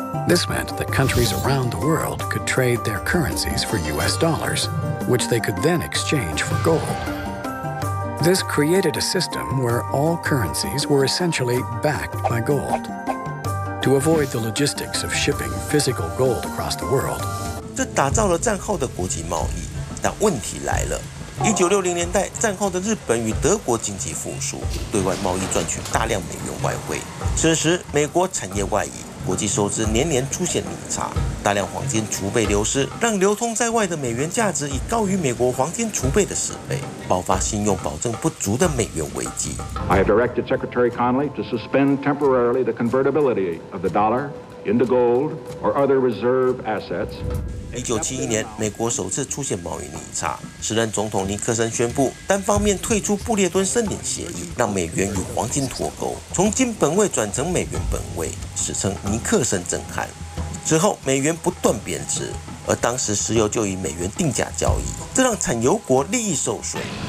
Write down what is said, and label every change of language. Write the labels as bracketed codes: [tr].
[en] This meant that countries around the world could trade their currencies for U.S. dollars, which they could then exchange for gold. This created a system where all currencies were essentially backed by gold. To avoid the logistics of shipping physical gold across the world, [zh] 这打造了战后的国际贸易，但问题来了。 1960年代，战后的日本与德国经济复苏，对外贸易赚取大量美元外汇。此时，美国产业外移，国际收支年年出现逆差，大量黄金储备流失，让流通在外的美元价值已高于美国黄金储备的10倍，爆发信用保证不足的美元危机。 [en] I have directed Secretary Connally to suspend temporarily the convertibility of the dollar into gold or other reserve assets. [zh] 1971年，美国首次出现贸易逆差，时任总统尼克森宣布单方面退出布列顿森林协议，让美元与黄金脱钩，从金本位转成美元本位，史称尼克森震撼。之后，美元不断贬值，而当时石油就以美元定价交易，这让产油国利益受损。